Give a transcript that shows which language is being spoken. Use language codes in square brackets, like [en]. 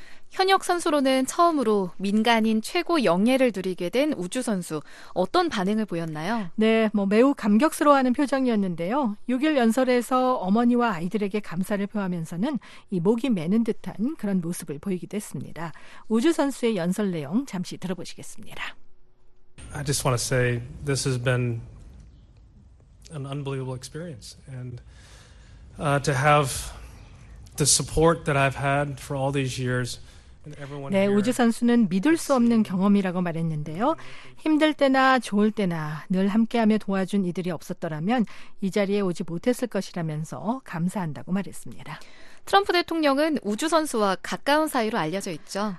[ko] 현역 선수로는 처음으로 민간인 최고 영예를 누리게 된 우주 선수, 어떤 반응을 보였나요? 네, 뭐 매우 감격스러워하는 표정이었는데요. 6일 연설에서 어머니와 아이들에게 감사를 표하면서는 이 목이 메는 듯한 그런 모습을 보이기도 했습니다. 우주 선수의 연설 내용 잠시 들어보시겠습니다. [en] I just want to say this has been an unbelievable experience and to have the support that I've had for all these years. [ko] 네, 우주 선수는 믿을 수 없는 경험이라고 말했는데요. 힘들 때나 좋을 때나 늘 함께하며 도와준 이들이 없었더라면 이 자리에 오지 못했을 것이라면서 감사한다고 말했습니다. 트럼프 대통령은 우주 선수와 가까운 사이로 알려져 있죠.